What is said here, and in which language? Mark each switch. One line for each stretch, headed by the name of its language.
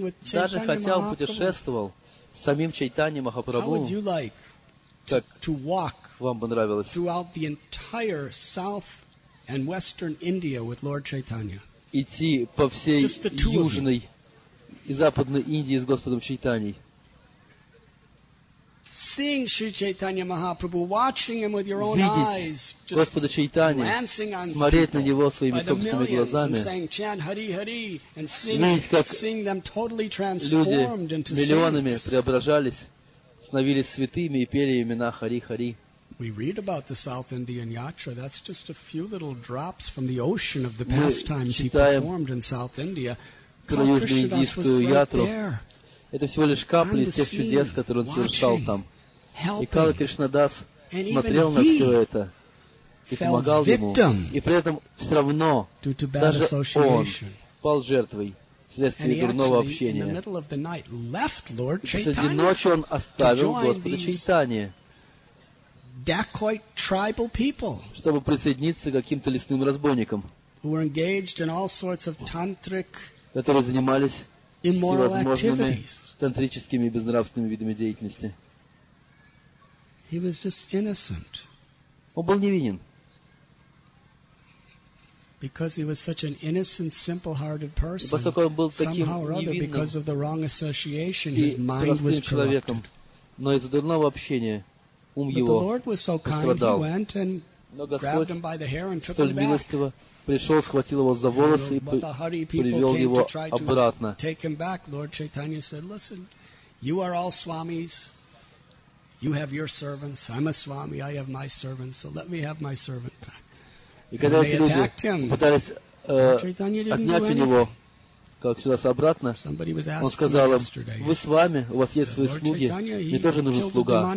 Russian: даже хотя он путешествовал с самим Чайтанья Махапрабху, как вам бы нравилось идти по всей Южной и Западной Индии с Господом Чайтаньей?
English: Seeing Sri Chaitanya Mahaprabhu, watching him with your own eyes, just glancing on people by the millions and saying, chant Hari Hari, and seeing them totally transformed into saints.
Russian: Преображались, становились святыми и пели имена Хари Хари.
English: We read about the South Indian Yatra. That's just a few little drops from the ocean of the pastimes he performed in South India.
Russian: Это всего лишь капли из тех чудес, которые он совершал там. И Кала Кришнадас смотрел на все это и помогал ему. И при этом все равно даже он пал жертвой вследствие дурного общения. И посреди ночи он оставил Господа Чайтанья, чтобы присоединиться к каким-то лесным разбойникам, которые занимались всевозможными тантрическими и безнравственными видами деятельности.
English: He was just innocent.
Russian: Он был невинен.
English: Because he was such an innocent, simple-hearted person,
Russian: поскольку он был таким
English: somehow or other, because of the wrong association, his mind was corrupted.
Russian: Но из-за дурного общения ум
English: But
Russian: его
English: the Lord was so kind,
Russian: пострадал.
English: He went and grabbed him by the hair and took him back.
Russian: Пришел, схватил его за волосы и привел его обратно.
English: Lord Chaitanya said, "Listen, you are all swamis. You have your servants. I'm a swami. I have my servants. So let me have my servant back."
Russian: И когда эти люди пытались отнять у него Калакшидаса обратно, он сказал им: "Вы с вами, у вас есть свои слуги, мне тоже нужен слуга."